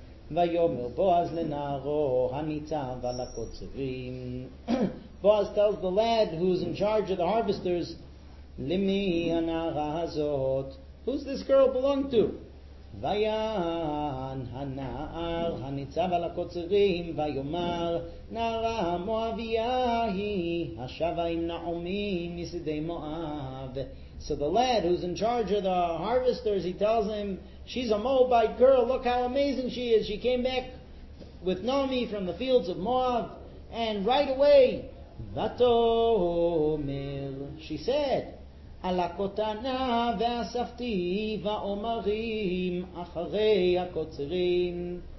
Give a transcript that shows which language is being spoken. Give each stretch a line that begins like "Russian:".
Hebrew: ויאמר בועז לנערו הניצב על הקוצרים.
English: Boaz tells the lad who's in charge of the harvesters,
Hebrew: למי הנערה הזאת?
English: Who's this girl belong to?
Hebrew: ויען הנער הניצב על הקוצרים ויאמר נערה מואביה היא השבה עם נעמי משדה מואב.
English: So the lad who's in charge of the harvesters, he tells him, she's a Moabite girl, look how amazing she is. She came back with Naomi from the fields of Moab, and right away,
Hebrew: Vatomil,
English: she said,
Hebrew: Alakotana ve'asafti va'omarim acharei hakotzerim.